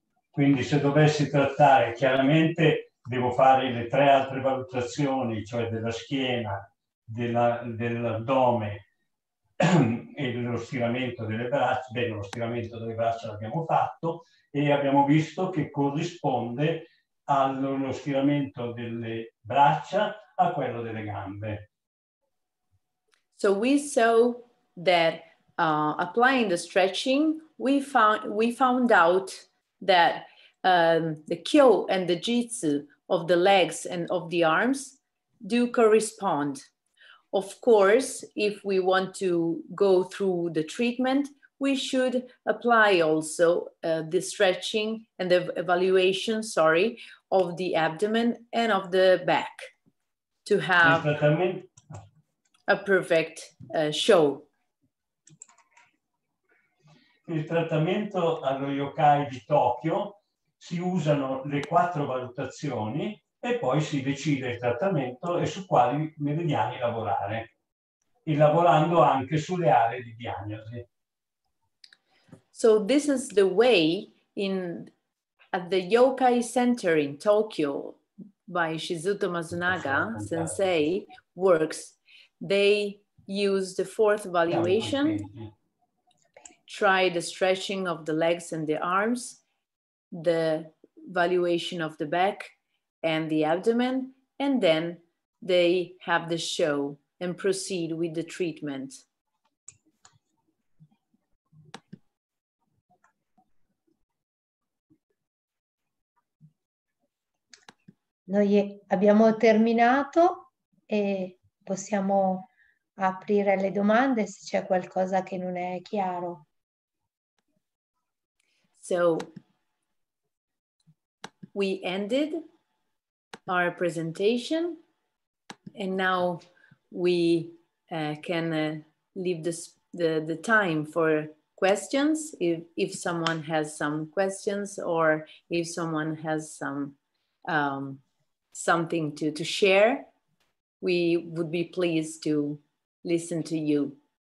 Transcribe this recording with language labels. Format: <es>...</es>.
<it>Quindi se dovessi trattare, chiaramente devo fare le tre altre valutazioni, cioè della schiena, dell'addome e dello stiramento delle braccia. Beh, lo stiramento delle braccia l'abbiamo fatto e abbiamo visto che corrisponde allo stiramento delle braccia a quello delle gambe.</it> <en>So we saw that applying the stretching, we found out that the kyo and the jitsu of the legs and of the arms do correspond. Of course, if we want to go through the treatment, we should apply also the stretching and the evaluation, sorry, of the abdomen and of the back to have a perfect show.</en> <it>Nel trattamento allo yokai di Tokyo si usano le quattro valutazioni e poi si decide il trattamento e su quali meridiani lavorare, e lavorando anche sulle aree di diagnosi.</it> <en>So this is the way at the yokai center in Tokyo by Shizuto Masunaga sensei works. They use the fourth valuation, try the stretching of the legs and the arms, the valuation of the back and the abdomen, and then they have the show and proceed with the treatment.</en> <it>Noi abbiamo terminato e possiamo aprire le domande se c'è qualcosa che non è chiaro.</it> <en>So we ended our presentation and now we can leave the time for questions if someone has some questions or if someone has some something to share, we would be pleased to listen to you.</en>